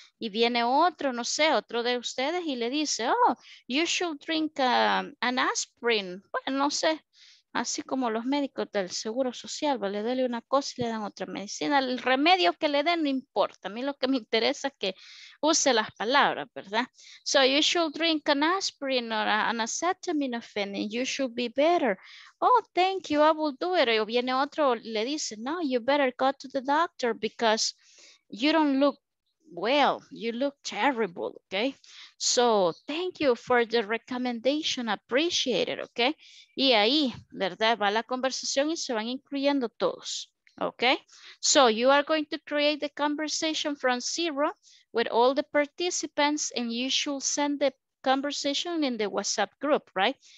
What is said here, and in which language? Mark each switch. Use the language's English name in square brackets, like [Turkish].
[Spanish] Y viene otro, no sé, otro de ustedes y le dice, oh, [English] you should drink an aspirin. [Spanish] Bueno, no sé, así como los médicos del Seguro Social, ¿vale? Dele una cosa y le dan otra medicina. El remedio que le den no importa. A mí lo que me interesa es que use las palabras, ¿verdad? [English] So you should drink an aspirin or an acetaminophen and you should be better. Oh, thank you, I will do it. [Spanish] Y viene otro y le dice, no, [English] you better go to the doctor because you don't look well, you look terrible, okay? So, thank you for the recommendation, appreciate it, okay? [Spanish] Y ahí, ¿verdad? Va la conversación y se van incluyendo todos, okay? [English] So, you are going to create the conversation from zero with all the participants and you should send the conversation in the WhatsApp group, right?